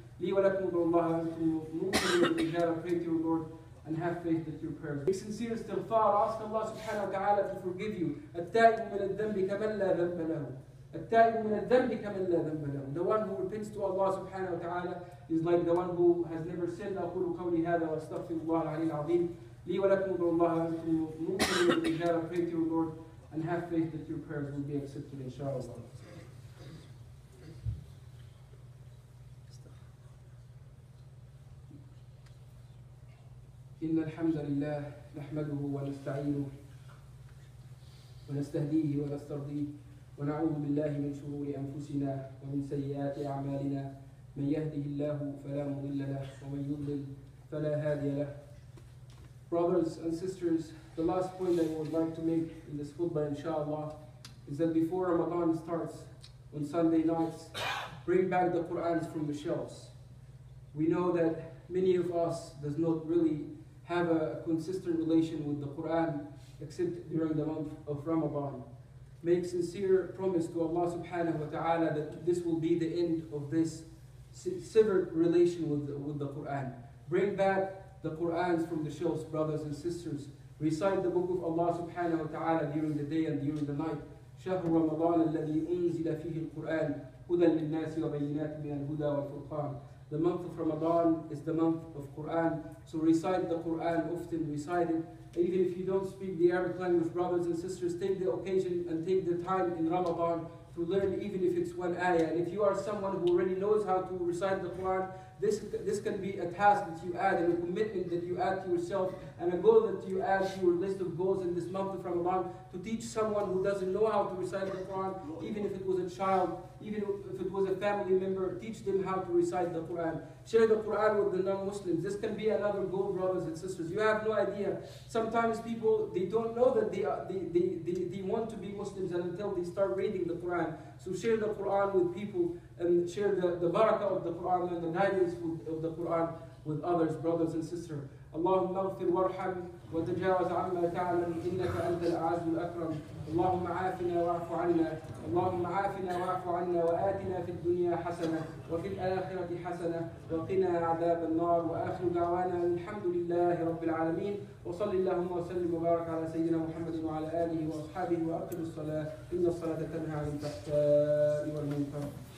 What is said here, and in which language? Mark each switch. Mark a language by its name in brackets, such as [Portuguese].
[Arabic] لي ولكم أدعو الله أنتم مؤمنون بالإجابة. [English] Pray to your Lord and have faith that your prayers. Be sincere استغفار. Ask Allah سبحانه وتعالى to forgive you. [Arabic] التائب من الذنب كمن لا ذنب له. التائب من الذنب كمن لا ذنب له. [English] The one who repents to Allah سبحانه وتعالى is like the one who has never sinned. [Arabic] أقول قولي هذا وأستغفر الله العلي العظيم. لي ولكم أدعو الله أنتم مؤمنون بالإجابة. [English] Pray to your Lord and have faith that your prayers will be accepted إن شاء الله. [Arabic] إن الحمد لله نحمده ونستعينه ونستهديه ونسترضيه ونعوذ بالله من شرور أنفسنا ومن سيئات أعمالنا. من يهده الله فلا مضل له ومن يضلل فلا هادي له. [English] Brothers and sisters, the last point that I would like to make in this khutbah inshallah is that before Ramadan starts on Sunday nights, bring back the Qur'ans from the shelves. We know that many of us does not really have a consistent relation with the Quran except during the month of Ramadan. Make sincere promise to Allah subhanahu wa ta'ala that this will be the end of this severed relation with the Quran. Bring back the Qurans from the shelves, brothers and sisters. Recite the book of Allah subhanahu wa ta'ala during the day and during the night. [Arabic] شهر رمضان الذي أنزل فيه القرآن هدى للناس وبينات من الهدى والفرقان. [English] The month of Ramadan is the month of Quran. So recite the Quran often, recite it. Even if you don't speak the Arabic language, brothers and sisters, take the occasion and take the time in Ramadan to learn, even if it's one ayah. And if you are someone who already knows how to recite the Quran, this can be a task that you add and a commitment that you add to yourself and a goal that you add to your list of goals in this month of Ramadan to teach someone who doesn't know how to recite the Quran, even if it was a child, even if it was a family member, teach them how to recite the Quran. Share the Quran with the non-Muslims. This can be another goal, brothers and sisters. You have no idea. Sometimes people, they don't know that they want to be Muslims until they start reading the Quran. So share the Quran with people and share the barakah of the Quran and the guidance of the Quran with others, brothers and sisters. [Arabic] اللهم اغفر وارحم وتجاوز عما تعلم إنك أنت العزيز الأكرم. اللهم عافنا واعف عنا. اللهم عافنا واعف عنا وآتنا في الدنيا حسنة وفي الآخرة حسنة وقنا عذاب النار. وآخر دعوانا الحمد لله رب العالمين. وصل اللهم وسلم وبارك على سيدنا محمد وعلى آله وأصحابه وأقم الصلاة إن الصلاة تنهى عن الفحشاء والمنكر.